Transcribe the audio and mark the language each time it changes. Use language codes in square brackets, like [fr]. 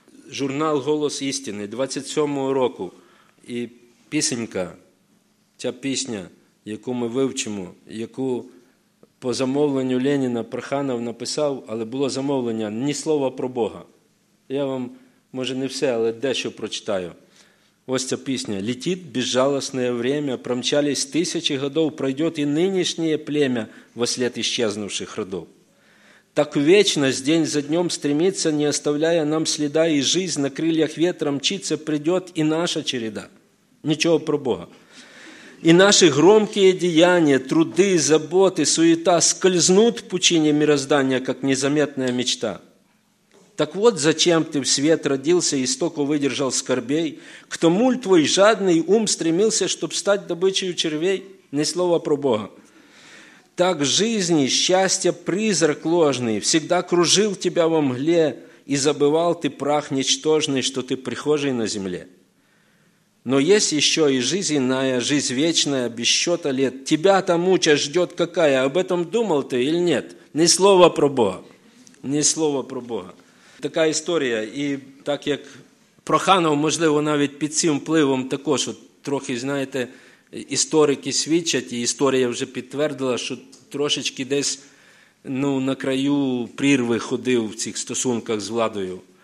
[uk] Журнал «Голос істини» 27-го року. І пісенька, ця пісня, яку ми вивчимо, яку по замовленню Леніна Проханов написав, але було замовлення «Ні слова про Бога». Я вам, може, не все, але дещо прочитаю. Ось ця пісня. [ru] «Летит безжалостное время, промчались тысячи годов, пройдет и нынешнее племя во след исчезнувших родов. Так вечность день за днем стремится, не оставляя нам следа, и жизнь на крыльях ветра мчится, придет и наша череда». Ничего про Бога. «И наши громкие деяния, труды, заботы, суета скользнут в пучине мироздания, как незаметная мечта. Так вот, зачем ты в свет родился и столько выдержал скорбей? К тому ль твой жадный ум стремился, чтоб стать добычей червей?» Ни слова про Бога. «Так жизни счастья призрак ложный всегда кружил тебя во мгле и забывал ты прах ничтожный, что ты прихожий на земле. Но есть еще и жизнь иная, жизнь вечная, без счета лет. Тебя там участь ждет какая? Об этом думал ты или нет? Ни слова про Бога. Ни слова про Бога». [uk] Така історія, і так як Проханов, можливо, навіть під цим впливом також, от трохи, знаєте, історики свідчать, і історія вже підтвердила, що трошечки десь на краю прірви ходив в цих стосунках з владою.